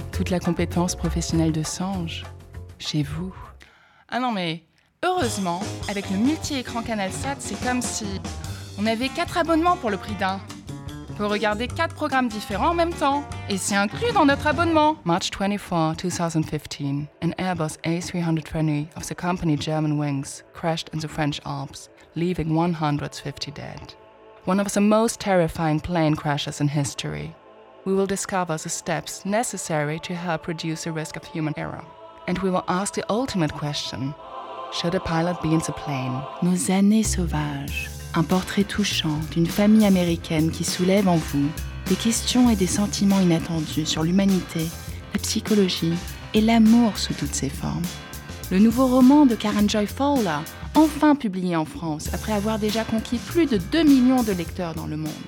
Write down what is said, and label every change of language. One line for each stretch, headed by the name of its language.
French: Toute la compétence professionnelle De Sange. Chez vous. Ah non mais, heureusement, avec le multi-écran CanalSat, c'est comme si on avait 4 abonnements pour le prix d'un. On peut regarder 4 programmes différents en même temps. Et c'est inclus dans notre abonnement.
English: March 24, 2015, an Airbus A320 of the company German Wings crashed in the French Alps, leaving 150 dead. One of the most terrifying plane crashes in history. We will discover the steps necessary to help reduce the risk of human error. And we will ask the ultimate question. Should a pilot be in the plane?
French: Nos années sauvages. Un portrait touchant d'une famille américaine qui soulève en vous des questions et des sentiments inattendus sur l'humanité, la psychologie et l'amour sous toutes ses formes. Le nouveau roman de Karen Joy Fowler, enfin publié en France après avoir déjà conquis plus de 2 millions de lecteurs dans le monde.